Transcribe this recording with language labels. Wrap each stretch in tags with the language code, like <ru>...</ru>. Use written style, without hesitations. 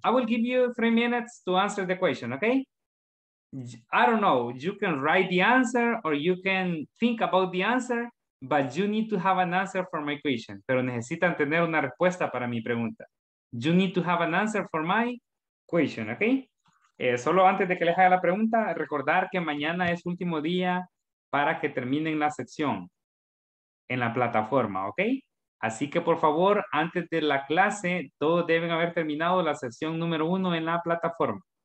<en>I will give you 3 minutes to answer the question, okay? I don't know, you can write the answer or you can think about the answer, but you need to have an answer for my question.</en> <es>Pero necesitan tener una respuesta para mi pregunta.</es> <en>You need to have an answer for my question, okay?</en> <es>Solo antes de que les haga la pregunta, recordar que mañana es último día para que terminen la sección en la plataforma, okay? Así que por favor, antes de la clase, todos deben haber terminado la sección número 1 en la plataforma.</es>